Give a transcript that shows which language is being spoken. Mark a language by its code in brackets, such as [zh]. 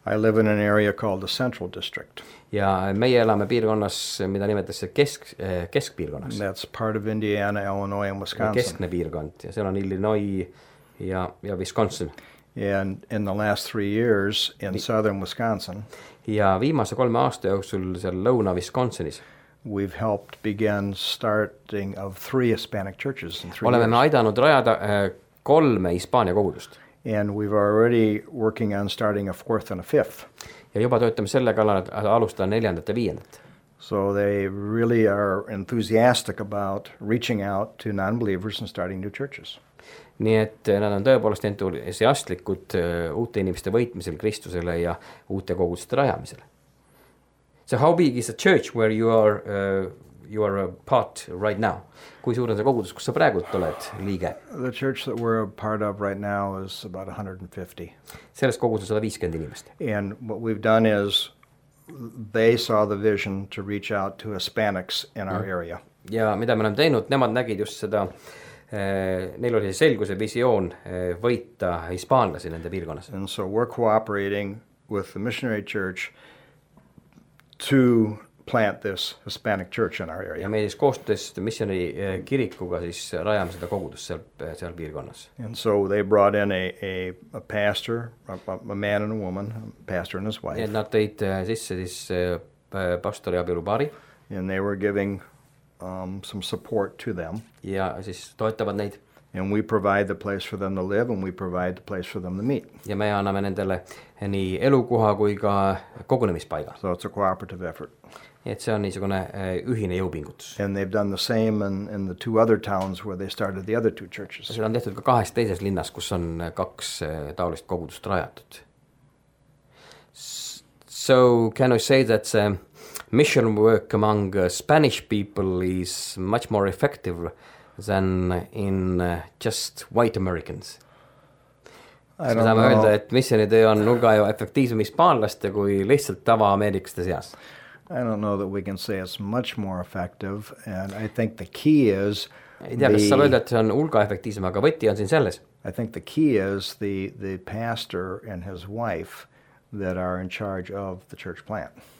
[en] I live in an area called the Central District. [et] Ja meie elame piirkonnas, mida nimetatakse keskpiirkonnas. [en] That's part of Indiana, Illinois and Wisconsin. [et] Keskne piirkond ja seal on Illinois ja Wisconsin. [en] And in the last three years in southern Wisconsin. [et] Ja viimase kolme aasta jooksul seal lõuna Wisconsinis. [en] We've helped begin starting of three Hispanic churches in three [et] oleme [en] years. [et] Oleme aidanud rajada kolme Hispaania kogudust. [en] And we've already working on starting a fourth and a fifth. [et] Ja juba töötame selle kallal, et alustada neljandat ja viiendat. [en] So they really are enthusiastic about reaching out to non-believers and starting new churches. [et] Nii et nad on tõepoolest entusiastlikud uute inimeste võitmisel Kristusele ja uute koguduste rajamisele. [en] So how big is the church where you are a part right now? [et] Kui suur on see kogudus, kus sa praegu oled liige? [en] The church that we're a part of right now is about 150. [et] Selles kogudus on 150 inimest. [en] And what we've done is they saw the vision to reach out to Hispanics in our area. [et] Ja mida me oleme teinud, nemad nägid just seda neil oli selguse visioon võita hispaanlasi nende piirkonnas. [en] And so we're cooperating with the missionary church to plant this Hispanic church in our area. [et] Ja me siis koostöös missioni kirikuga siis rajame seda kogudust seal piirkonnas. [en] And so they brought in a pastor, a man and a woman, a pastor and his wife. [et] Ja nad tõid sisse siis pastori abielu paari. [en] And they were giving some support to them. [et] Ja siis toetavad neid. [en] And we provide the place for them to live and we provide the place for them to meet. [et] Ja me anname nendele nii elukoha kui ka kogunemispaiga. [en] So it's a cooperative effort. [et] Et see on niisugune ühine jõupingutus. [en] And they've done the same in the two other towns where they started the other two churches. [et] Seda on tehtud ka kahes teises linnas, kus on kaks taolist kogudust rajatud. [en] So can I say that mission work among Spanish people is much more effective than in just white Americans? I don't know. [et] Öelda, et missionitöö on nulga efektiivsem hispaanlaste kui lihtsalt tava ameeriklaste seas. [en] I don't know that we can say it's much more effective, and I think the key is I think the key is the pastor and his wife that are in charge of the church plant.